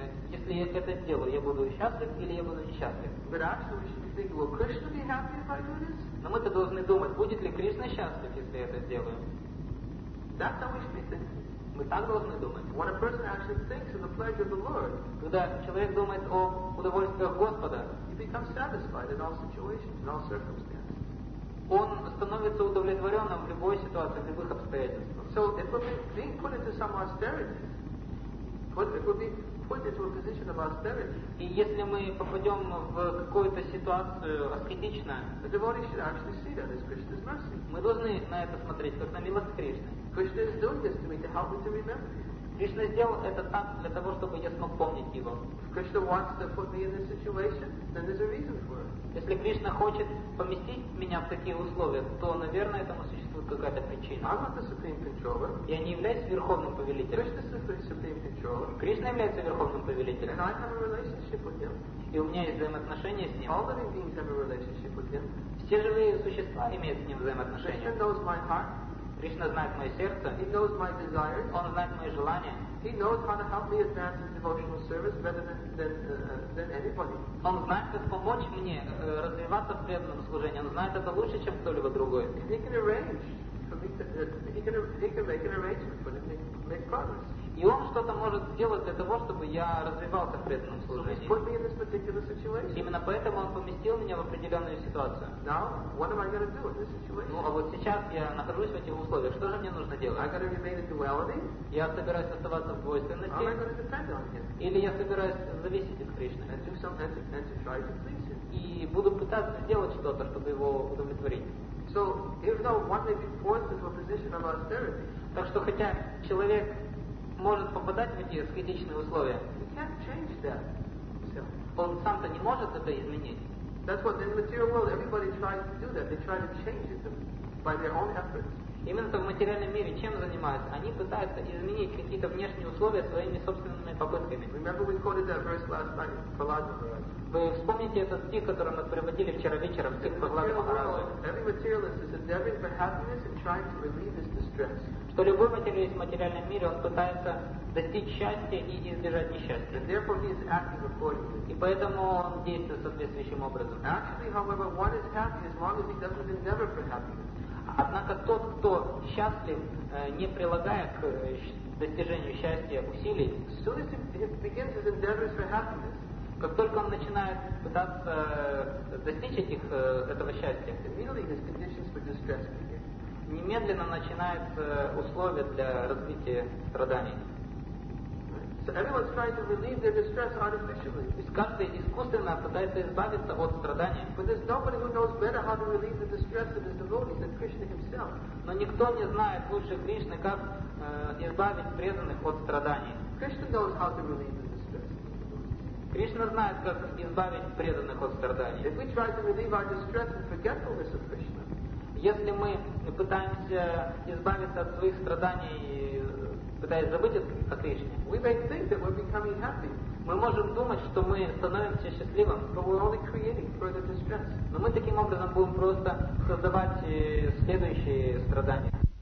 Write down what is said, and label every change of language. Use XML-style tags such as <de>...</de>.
<ru>Если я это сделаю, я буду счастлив или я буду несчастлив?</ru> <en>But actually we should think, will Krishna be happy if I do this?</en> <ru>Но мы-то должны думать, будет ли Кришна счастлив, если я это сделаю?</ru> <en>That's how we should be thinking.</en> <ru>Мы так должны думать.</ru> <en>When a person actually thinks of the pleasure of the Lord,</en> <ru>когда человек думает о удовольствиях Господа,</ru> <en>he becomes satisfied in all situations, in all circumstances.</en> <ru>Он становится удовлетворенным в любой ситуации, в любых обстоятельствах.</ru> <en>So if we're being put into some austerity, if we're being put into a position of austerity,</en> <ru>и если мы попадем в какую-то ситуацию аскетичную,</ru> <en>the devotee should actually see that as Krishna's mercy.</en> <ru>Мы должны на это смотреть как на милость Кришны.</ru> <en>Krishna is doing this to me to help me to remember.</en> <ru>Кришна сделал это так для того, чтобы я смог помнить его.</ru> <en>If Krishna wants to put me in this situation, then there's a reason for it.</en> <ru>Если Кришна хочет поместить меня в такие условия, то, наверное, этому существует какая-то причина.</ru> <en>I'm not the supreme controller.</en> <ru>Я не являюсь верховным повелителем.</ru> <en>Krishna's the supreme controller.</en> <ru>Кришна является верховным повелителем.</ru> <en>And I have a relationship with him.</en> <ru>И у меня есть взаимоотношения с ним.</ru> <en>All living beings have a relationship with him.</en> <ru>Все живые существа имеют с ним взаимоотношения.</ru> <en>Krishna knows my heart.</en> <ru>Кришна знает мое сердце.</ru> <en>He knows my desires.</en> <ru>Он знает мои желания.</ru> <en>He knows how to help me advance in devotional service better than anybody.</en> <ru>Он знает, как помочь мне развиваться в преданном служении. Он знает это лучше, чем кто-либо другой.</ru> <en>He can arrange for me to, he can make an arrangement for me to make progress.</en> <ru>И он что-то может сделать для того, чтобы я развивался в преданном служении. Именно поэтому он поместил меня в определенную ситуацию.</ru> <en>Now, what am I going to do in this situation?</en> <ru>Ну, а вот сейчас я нахожусь в этих условиях. Что же мне нужно делать?</ru> <en>I got to remain in duality?</en> <ru>Я собираюсь оставаться в двойственности?</ru> <en>Or am I going to depend on him?</en> <ru>Или я собираюсь зависеть от Кришны?</ru> <en>And do something and to try to please him.</en> <ru>И буду пытаться сделать что-то, чтобы его удовлетворить.</ru> <en>So, even though one may be forced into a position of austerity,</en> <ru>так что хотя человек может попадать в эти аскетичные условия.</ru> <en>He can't change that.</en> <ru>Он сам-то не может это изменить.</ru> <en>That's what in the material world everybody tries to do that. They try to change it by their own efforts.</en> <ru>Именно в материальном мире чем занимаются? Они пытаются изменить какие-то внешние условия своими собственными попытками.</ru> <en>Remember we quoted that verse last night, Prahlada Maharaja.</en> <ru>Вы вспомните этот стих, который мы приводили вчера вечером, стих Прахлады Махараджа.</ru> <en>Every materialist is endeavoring for happiness and trying to relieve his distress.</en> <ru>Что любой материалист в материальном мире, он пытается достичь счастья и избежать несчастья.</ru> <en>And therefore he is acting accordingly.</en> <ru>И поэтому он действует соответствующим образом.</ru> <en>Actually, however, one is happy as long as he doesn't endeavor for happiness.</en> <ru>Однако тот, кто счастлив, не прилагая к достижению счастья усилий,</ru> <en>as soon as he begins his endeavors for happiness,</en> <ru>как только он начинает пытаться достичь этих, этого счастья,</ru> <en>immediately his conditions for distress begin.</en> <ru>Немедленно начинаются условия для развития страданий.</ru> <en>So everyone's trying to relieve their distress artificially.</en> <ru>И каждый искусственно пытается избавиться от страданий.</ru> <en>But there's nobody who knows better how to relieve the distress of his devotees than Krishna himself.</en> <ru>Но никто не знает лучше Кришны, как избавить преданных от страданий.</ru> <en>Krishna knows how to relieve the distress.</en> <ru>Кришна знает, как избавить преданных от страданий.</ru> <en>If we try to relieve our distress and forgetfulness of Krishna.</en> <ru>Если мы пытаемся избавиться от своих страданий, пытаясь забыть о Кришне,</ru> <en>we may think that we're becoming happy.</en> <ru>Мы можем думать, что мы становимся счастливым,</ru> <en>but we're only creating further distress.</en> <ru>Но мы таким образом будем просто создавать следующие страдания.</ru>